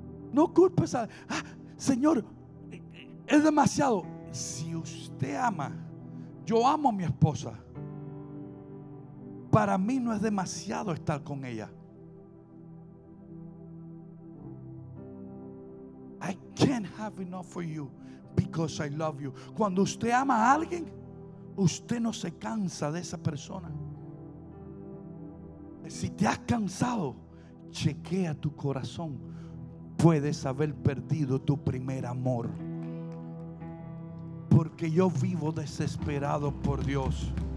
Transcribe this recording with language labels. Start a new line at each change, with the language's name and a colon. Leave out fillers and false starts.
Spanish: No culpes a... Señor, es demasiado. Si usted ama, yo amo a mi esposa. Para mí no es demasiado estar con ella.
English: I can't have enough for you because I love you.
Spanish: Cuando usted ama a alguien, usted no se cansa de esa persona. Si te has cansado, chequea tu corazón. Puedes haber perdido tu primer amor. Porque yo vivo desesperado por Dios.